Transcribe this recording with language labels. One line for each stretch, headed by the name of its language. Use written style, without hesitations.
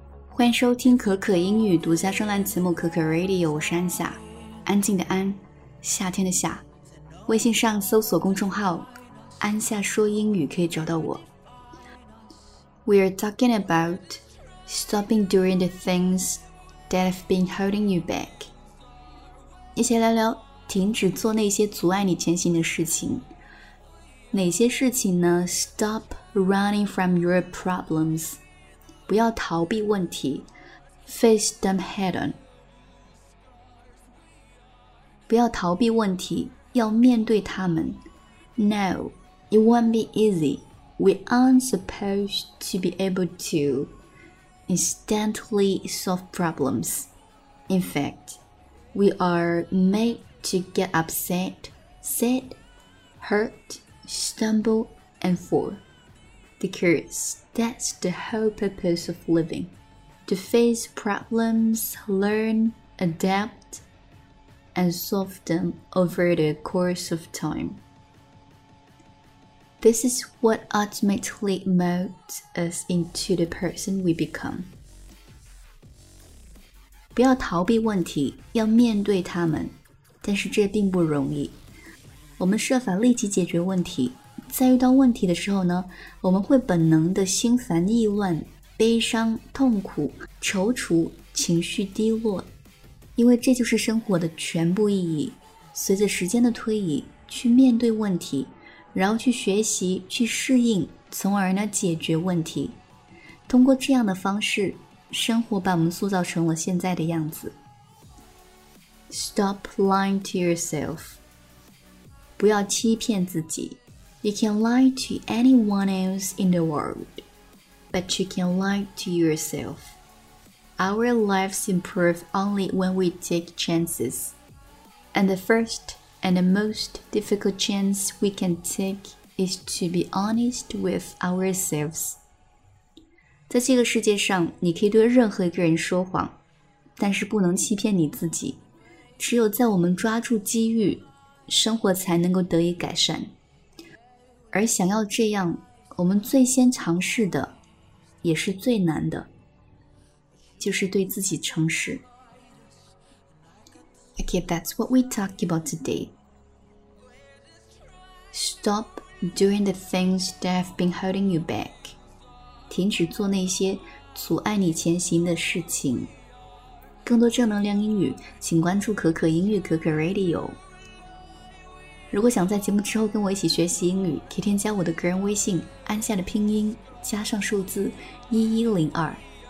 Chinese: 欢迎收听可可英语独家专栏节目可可 Radio， 我是安夏，安静的安，夏天的夏。微信上搜索公众号安夏说英语可以找到我。
English: We are talking about stopping doing the things that have been holding you back，一起聊聊停止做那些阻碍你前行的事情。
Chinese: 哪些事情呢？
English: Stop running from your problems，不要逃避问题， face them head on。
Chinese: 不要逃避问题，要面对他们。
English: No, it won't be easy. We aren't supposed to be able to instantly solve problems. In fact, we are made to get upset, sad, hurt, stumble, and fall. Because that's the whole purpose of living. To face problems, learn, adapt, and solve them over the course of time. This is what ultimately molds us into the person we become.
Chinese: 不要逃避问题，要面对他们。但是这并不容易。我们设法立即解决问题。在遇到问题的时候呢，我们会本能的心烦意乱，悲伤痛苦踌躇，情绪低落，因为这就是生活的全部意义。随着时间的推移，去面对问题，然后去学习，去适应，从而呢解决问题。通过这样的方式，生活把我们塑造成了现在的样子。
English: Stop lying to yourself，不要欺骗自己。 You can lie to anyone else in the world, but you can lie to yourself. Our lives improve only when we take chances. And the first and the most difficult chance we can take is to be honest with ourselves.
Chinese: 在这个世界上，你可以对任何一个人说谎，但是不能欺骗你自己。只有在我们抓住机遇，生活才能够得以改善。而想要这样，我们最先尝试的也是最难的，就是对自己诚实。
English: Okay, that's what we talk about today. Stop doing the things that have been holding you back.
Chinese: 停止做那些阻碍你前行的事情。更多正能量英语，请关注可可英语可可 Radio。如果想在节目之后跟我一起学习英语，可以添加我的个人微信，安夏的拼音加上数字1102。